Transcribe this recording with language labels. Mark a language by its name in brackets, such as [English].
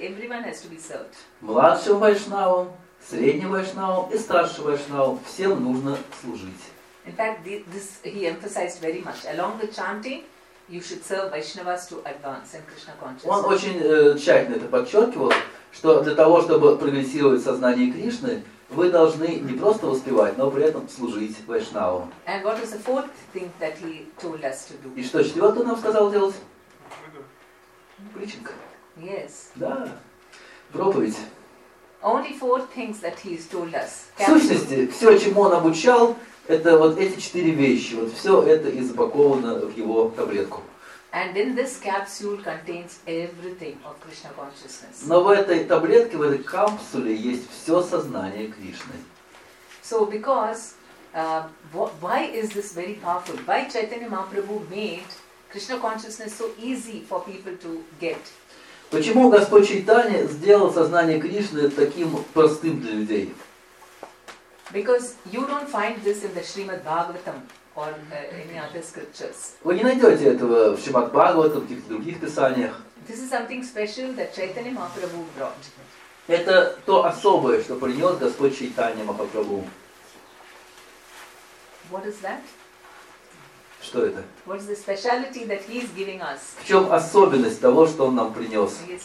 [English] Everyone has to be served. [Russian] Младшим Вайшнавам, средним Вайшнавам и старшим Вайшнавам всем нужно служить. [English] In fact, this he emphasized very much. Along with chanting, you should serve Vaishnavas to advance in Krishna consciousness. [Russian] Он очень тщательно это подчеркивал, что для того, чтобы прогрессировать сознание Кришны, вы должны не просто воспевать, но при этом служить Вайшнавам. [English] And what is the fourth thing that he told us to do? [Russian] И что четвертое нам сказал делать? Причинка. [English] Yes. [Russian] Да. Проповедь. [English] Only four things that he has told us. [Russian] В сущности, все, чему он обучал, это вот эти четыре вещи. Вот все это и запаковано в его таблетку. [English] And in this capsule contains everything of Krishna consciousness. [Russian] Но в этой таблетке, в этой капсуле есть все сознание Кришны. [English] So because why is this very powerful? Why Chaitanya Mahaprabhu made Krishna consciousness so easy for people to get. [Russian] Почему Господь Чайтанья сделал сознание Кришны таким простым для людей? [English] Because you don't find this in the Srimad Bhagavatam or any other scriptures. [Russian] Вы не найдете этого в Шримад Бхагаватам, в каких-то других писаниях. [English] This is something special that Chaitanya Mahaprabhu brought. [Russian] Это то особое, что принес Господь Чайтанья Махапрабху. [English] What is that? [Russian] Что это? [English] What is the speciality that he is giving us? [Russian] В чем особенность того, что он нам принес?